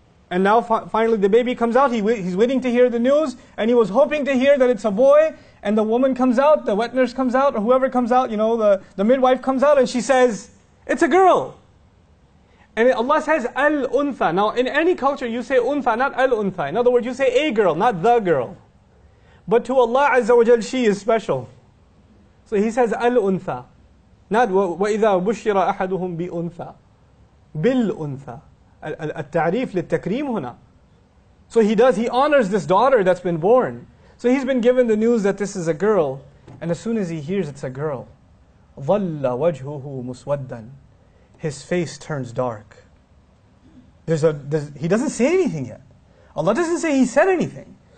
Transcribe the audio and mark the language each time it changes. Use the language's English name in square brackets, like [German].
[English] And now finally the baby comes out, he's waiting to hear the news, and he was hoping to hear that it's a boy, and the woman comes out, the wet nurse comes out, or whoever comes out, you know, the midwife comes out, and she says, it's a girl. And Allah says, al-untha. Now in any culture you say untha, not al-untha. In other words, you say a girl, not the girl. But to Allah Azza wa Jal, she is special. So He says, al-untha. Not [Arabic] وَإِذَا بُشِّرَ أَحَدُهُمْ بِأُنْثَى بِالْأُنْثَى التعريف للتكريم هنا. [English] So he honors this daughter that's been born. So he's been given the news that this is a girl, and as soon as he hears it's a girl, [Arabic] ظَلَّ وَجْهُهُ مُسْوَدًّا [English] His face turns dark. He doesn't say anything yet. Allah doesn't say He said anything.